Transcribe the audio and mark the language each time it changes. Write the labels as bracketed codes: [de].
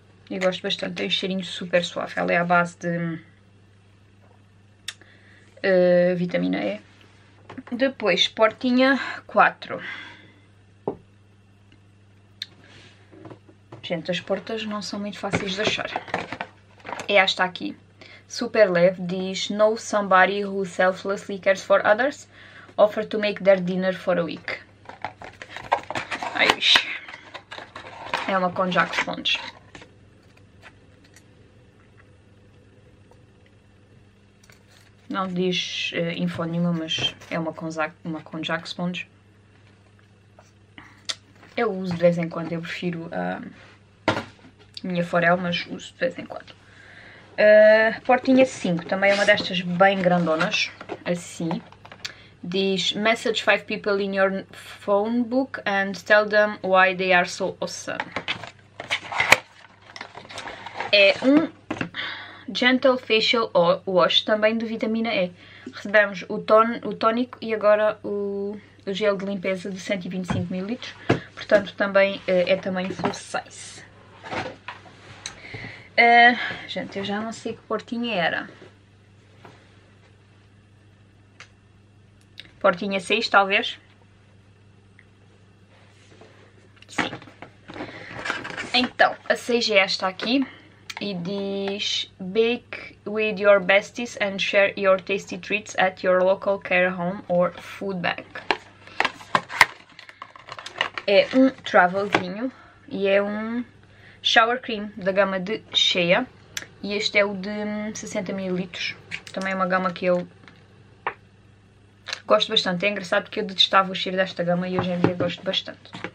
[pt] E gosto bastante, tem um cheirinho super suave. Ela é à base de vitamina E. Depois, portinha 4. Gente, as portas não são muito fáceis de achar. É esta aqui. Super leve. Diz, [en] know somebody who selflessly cares for others. Offer to make their dinner for a week. [pt] Ai, é uma com Jack Sponge. Não diz info nenhuma, mas é uma com Jack Sponge. Eu uso de vez em quando, eu prefiro a minha Forel, mas uso de vez em quando. Portinha 5, também é uma destas bem grandonas, assim. Diz, [en] message 5 people in your phone book and tell them why they are so awesome. [pt] É um Gentle Facial Wash, também de vitamina E. Recebemos o tónico e agora o gel de limpeza de 125 ml. Portanto, também é tamanho full size. Gente, eu já não sei que portinha era. Portinha 6, talvez. Sim. Então, a 6 é esta aqui. E diz, [en] bake with your besties and share your tasty treats at your local care home or food bank. [pt] É um travelzinho e é um shower cream da gama de Shea. E este é o de 60 ml. Também é uma gama que eu gosto bastante. É engraçado porque eu detestava o cheiro desta gama e hoje em dia gosto bastante.